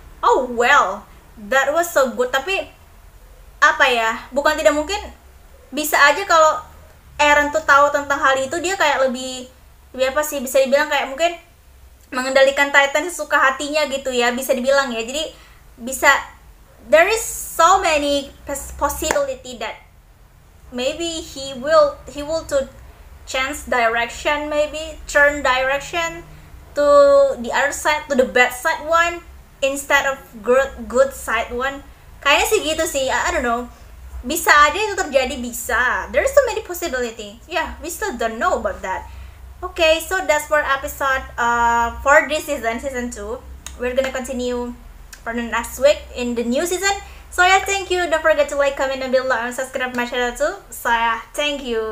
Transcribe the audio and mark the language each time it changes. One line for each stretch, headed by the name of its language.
English: Oh well, that was so good.
Indonesian: Tapi apa ya, bukan tidak mungkin bisa aja kalau Eren tuh tahu tentang hal itu, dia kayak lebih apa sih, bisa dibilang kayak mungkin mengendalikan Titan sesuka hatinya gitu ya, bisa dibilang ya. Jadi bisa,
English: there is so many possibility that maybe he will to change direction, maybe turn direction to the other side, to the bad side one instead of good side one.
Indonesian: Kayaknya sih gitu sih,
English: I don't know.
Indonesian: Bisa aja itu terjadi, bisa.
English: There's so many possibility. Yeah, we still don't know about that. Okay, so that's for episode for this season 2. We're gonna continue for the next week in the new season. So yeah, thank you. Don't forget to like, comment, and below, and subscribe to my channel too. So yeah, thank you.